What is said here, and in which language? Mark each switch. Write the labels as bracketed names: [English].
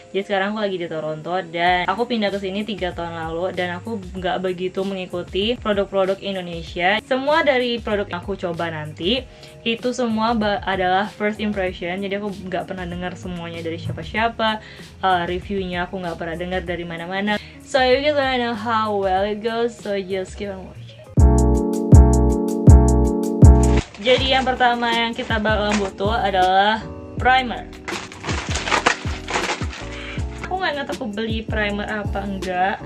[Indonesian] Jadi sekarang aku lagi di Toronto dan aku pindah ke sini 3 tahun lalu dan aku enggak begitu mengikuti produk-produk Indonesia. Semua dari produk yang aku coba nanti itu semua adalah first impression. Jadi aku enggak pernah dengar semuanya dari siapa-siapa. Reviewnya aku enggak pernah dengar dari mana-mana. [English] So, you guys wanna know how well it goes, so just keep on watching. [Indonesian] Jadi yang pertama yang kita bakal butuh adalah primer. Aku gak ngerti aku beli primer apa enggak.